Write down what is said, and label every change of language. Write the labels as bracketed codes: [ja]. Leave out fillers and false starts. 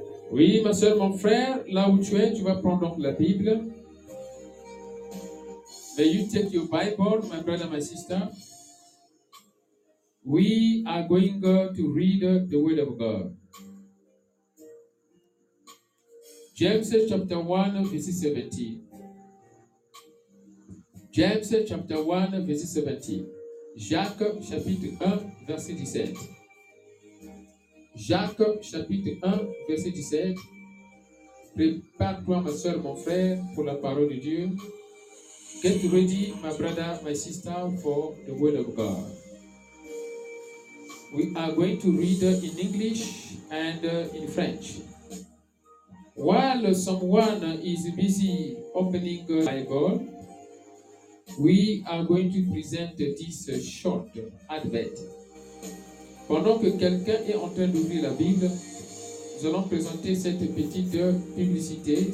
[fr] Oui, ma soeur, mon frère, là où tu es, tu vas prendre donc la Bible. [en] May you take your Bible, my brother, my sister. We are going to read the Word of God. James chapter 1, verse 17. James chapter 1, verse 17. [fr] Jacques chapitre 1, verse 17. Jacques, chapitre 1, verset 17. Prépare-toi, ma soeur, mon frère, pour la parole de Dieu. [en] Get ready, my brother, my sister, for the word of God. We are going to read in English and in French. While someone is busy opening the Bible, we are going to present this short advert. [fr] Pendant que quelqu'un est en train d'ouvrir la Bible, nous allons présenter cette petite publicité.